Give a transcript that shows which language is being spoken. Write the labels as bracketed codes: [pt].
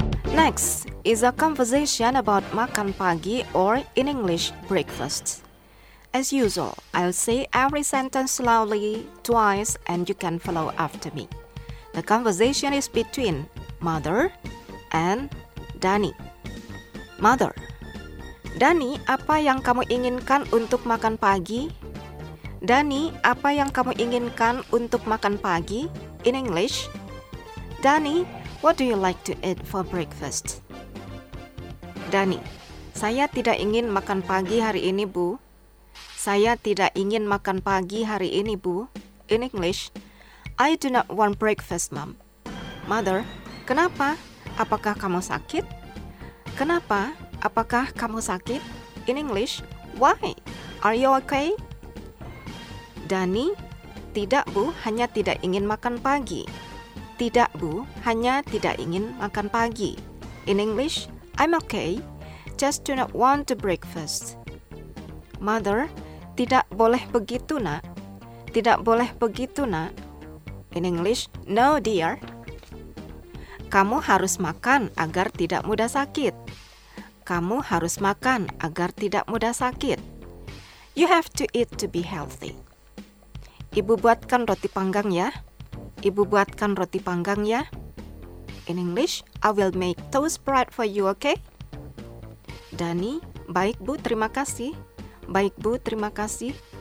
[en] Next is a conversation about makan pagi, or in English, breakfast. As usual, I'll say every sentence slowly, twice, and you can follow after me. The conversation is between mother and Dani. [id] Mother, Dani, apa yang kamu inginkan untuk makan pagi? Dani, apa yang kamu inginkan untuk makan pagi? [en] In English, Dani, what do you like to eat for breakfast? [id] Dani, saya tidak ingin makan pagi hari ini, Bu. Saya tidak ingin makan pagi hari ini, Bu. [en] In English, I do not want breakfast, Mom. [id] Mother, kenapa? Apakah kamu sakit? Kenapa? Apakah kamu sakit? [en] In English, why? Are you okay? [id] Dani, tidak, Bu, hanya tidak ingin makan pagi. Tidak, Bu, hanya tidak ingin makan pagi. [en] In English, I'm okay, just do not want to breakfast. [id] Mother, tidak boleh begitu, nak. Tidak boleh begitu, nak. [en] In English, no, dear. [id] Kamu harus makan agar tidak mudah sakit. Kamu harus makan agar tidak mudah sakit. [en] You have to eat to be healthy. [id] Ibu buatkan roti panggang ya. Ibu buatkan roti panggang ya. [en] In English, I will make toast bread for you, okay? [id] Dani, baik Bu, terima kasih. Baik Bu, terima kasih.